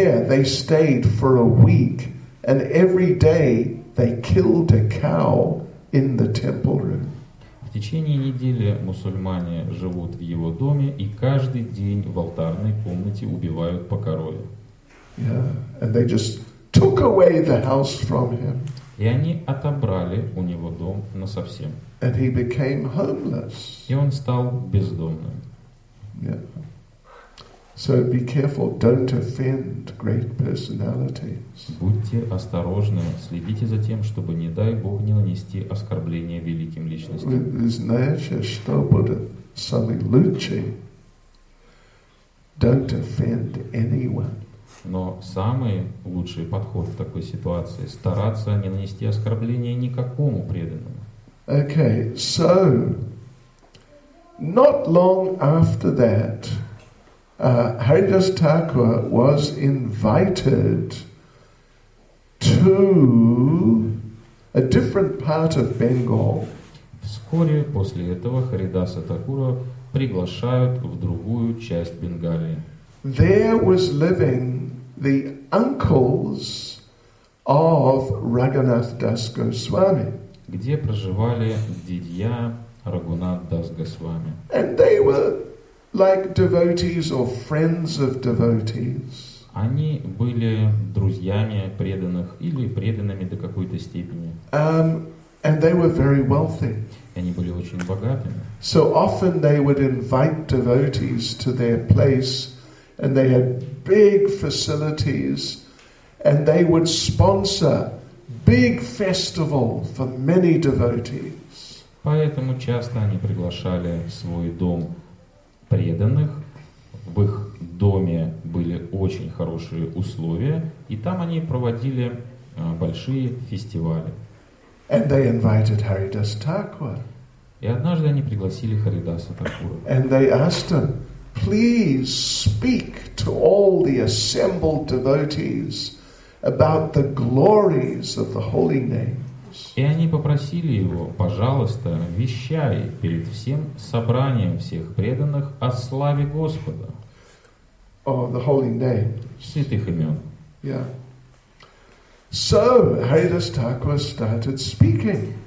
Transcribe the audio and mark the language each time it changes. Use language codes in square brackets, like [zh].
[en] They stayed for a week, and every day they killed a cow in the temple room. [ru] В течение недели мусульмане живут в его доме и каждый день в алтарной комнате убивают по корове. [en] Yeah, and they just took away the house from him. [ru] И они отобрали у него дом насовсем. [en] And he became homeless. [ru] И он стал бездомным. [en] Yeah. So be careful, don't offend great personalities. [ru] Будьте осторожны, следите за тем, чтобы не дай Бог не нанести оскорбление великим личностям. Вы знаете, что будет самый лучший? [en] Don't offend anyone. [ru] Но самый лучший подход в такой ситуации – стараться не нанести оскорбление никакому преданному. [en] Okay, so, not long after that, Haridas Thakur was invited to a different part of Bengal. [ru] Вскоре после этого Харидаса Такура приглашают в другую часть Бенгалии. [en] There was living the uncles of Raghunath Das Goswami. [ru] Где проживали дядя Рагунат Дас Госвами. [en] And they were like devotees or friends of devotees. [ru] Они были друзьями преданных или преданными до какой-то степени. [en] And they were very wealthy. [ru] Они были очень богатыми. [en] So often they would invite devotees to their place, and they had big facilities, and they would sponsor big festival for many devotees. [ru] Поэтому часто они приглашали в свой дом преданных. В их доме были очень хорошие условия, и там они проводили большие фестивали. [en] And they invited Haridas Thakur. [ru] И однажды они пригласили Харидаса Такура. [en] And they asked him, please speak to all the assembled devotees about the glories of the holy names. [ru] И они попросили его, пожалуйста, вещай перед всем собранием всех преданных о славе Господа. [en] Oh, the holy names. [ru] Святых имен. [en] Yeah. So Haridas Thakur started speaking.